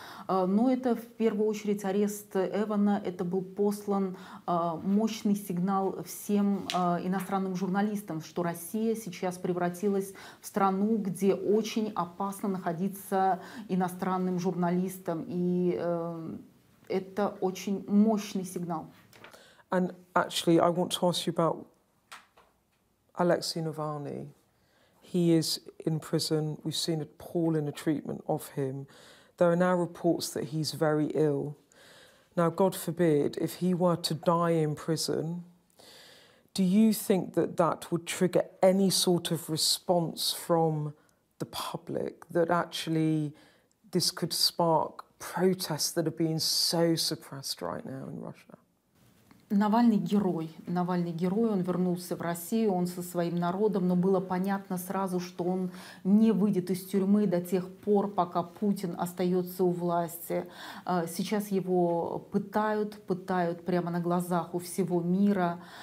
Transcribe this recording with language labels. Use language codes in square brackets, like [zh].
[ru] Но это в первую очередь арест Эвана. Это был послан мощный сигнал всем иностранным журналистам, что Россия сейчас превратилась в страну, где очень опасно находиться иностранным журналистам. И это очень мощный сигнал. [en] And actually, I want to ask you about Alexei Navalny. He is in prison. We've seen appalling treatment of him. There are now reports that he's very ill. Now, God forbid, if he were to die in prison, do you think that that would trigger any sort of response from the public, that actually this could spark protests that are being so suppressed right now in Russia? [ru] Навальный герой, он вернулся в Россию, он со своим народом, но было понятно сразу, что он не выйдет из тюрьмы до тех пор, пока Путин остается у власти. Сейчас его пытают прямо на глазах у всего мира.